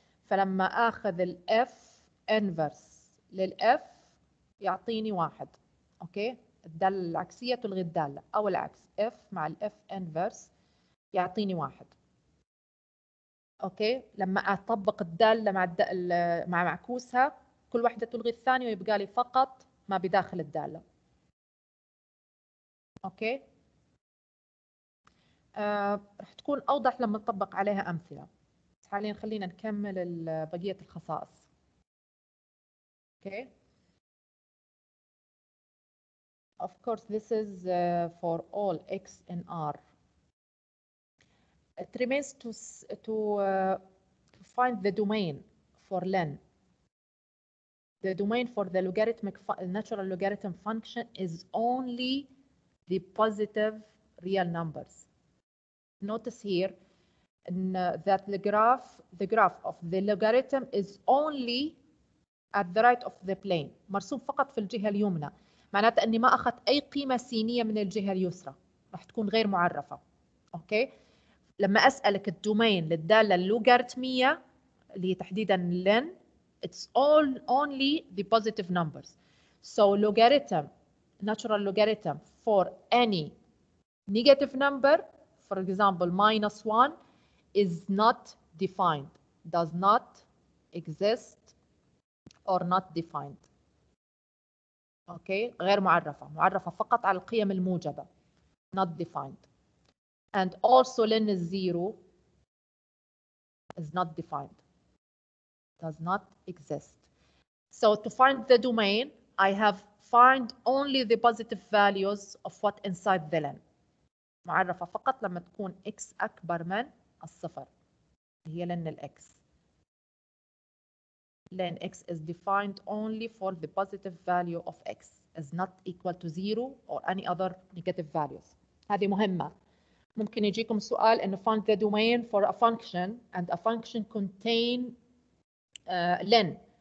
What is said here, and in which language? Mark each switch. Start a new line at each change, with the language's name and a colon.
Arabic: فلما أخذ الإف إنفرس للإف يعطيني واحد، أوكي؟ الدالة العكسية تلغي الدالة، أو العكس، إف مع الإف إنفرس يعطيني واحد، أوكي؟ لما أطبق الدالة مع معكوسها كل واحدة تلغي الثانية ويبقى لي فقط ما بداخل الدالة، أوكي؟ رح تكون أوضح لما نطبق عليها أمثلة. حالياً خلينا نكمل بقية الخصائص، أوكي؟
English: Of course, this is for all x and r. It remains to find the domain for len. The domain for the logarithmic natural logarithm function is only the positive real numbers. Notice here that the graph of the logarithm is only at the right of the plane.
Arabic: مرسوم فقط في الجهة اليمنى. معناته أني ما أخذت أي قيمة سينية من الجهة اليسرى، راح تكون غير معرفة، أوكي؟ لما أسألك الدومين للدالة اللوغاريتمية اللي هي تحديداً لن،
English: it's all only the positive numbers. So logarithm, natural logarithm for any negative number, for example minus one, is not defined, does not exist or not defined.
Arabic: أوكي، غير معرفة، معرفة فقط على القيم الموجبة،
English: not defined. And also len is zero is not defined, does not exist. So to find the domain, I have find only the positive values of what inside the len.
Arabic: معرفة فقط لما تكون x أكبر من الصفر، هي len x.
English: Len x is defined only for the positive value of x. Is not equal to zero or any other negative values.
Arabic: هذه مهمة. ممكن يجيكم سؤال إنه
English: find the domain for a function and a function contain len.